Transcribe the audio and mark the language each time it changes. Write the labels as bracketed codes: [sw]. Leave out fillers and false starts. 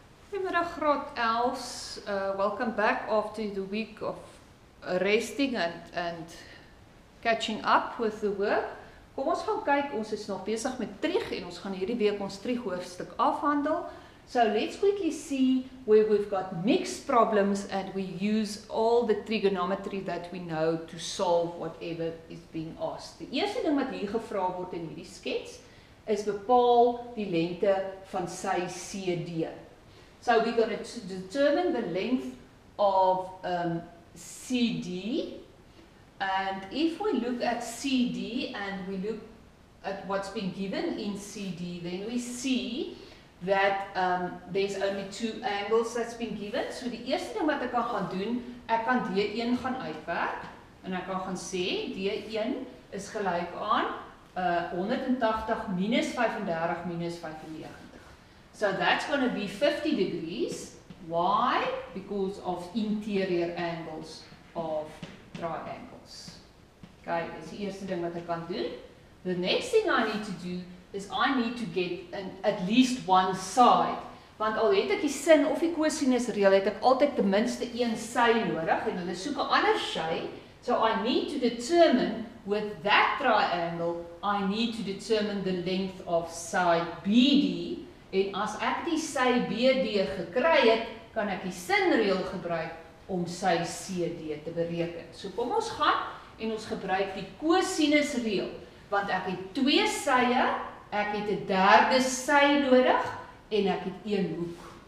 [af] Goedemiddag Graad 11, [en] welcome back after the week of resting and catching up with the work. [af] Kom ons gaan kyk, ons is nog besig met Trig en ons gaan hierdie week ons Trig hoofstuk afhandel. [en] So let's quickly see where we've got mixed problems and we use all the trigonometry that we know to solve whatever is being asked. [af] Die eerste ding wat hier gevra word in hierdie skets is bepaal die lengte van sy CD. [en] So we're going to determine the length of CD, and if we look at CD and we look at what's been given in CD, then we see that there's only two angles that's been given. [af] So the eerste ding wat ek kan gaan doen, ek kan D1 gaan uitwerk en ek kan gaan sê D1 is gelyk aan 180 minus 35 minus 95. [en] So that's going to be 50 degrees. Why? Because of interior angles of triangles. Okay, that's the first thing that I can do. The next thing I need to do is I need to get at least one side. [af] Want al het ek die sin of die cosinus reël, het ek altyd ten minste een sy nodig en hulle soek 'n ander sy. [en] So I need to determine with that triangle, I need to determine the length of side BD. [af] En as ek die sy BD gekry het, kan ek die sin reël gebruik om sy CD te bereken. So kom ons gaan en ons gebruik die cosinus reël, want ek het twee sye, ek het 'n derde sy nodig en ek het een hoek.